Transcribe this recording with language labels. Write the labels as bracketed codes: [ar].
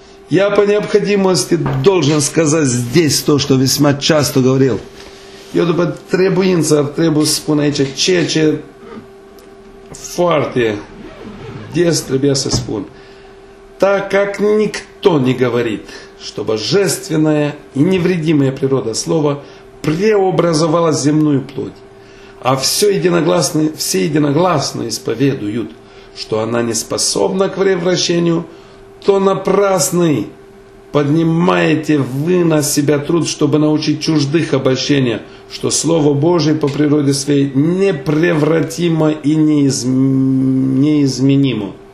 [ru] Я по необходимости должен сказать здесь то, что весьма часто говорил. [ro] Eu după trebuință trebuie să spun aici ceea ce foarte des trebuie să spun. [ru] Так как никто не говорит, что божественная и невредимая природа слова преобразовала земную плоть, а все единогласно исповедуют, что она не способна к превращению, то напрасный поднимаете вы на себя труд, чтобы научить чуждых обольщения, что Слово Божие по природе своей непревратимо и неизменимо.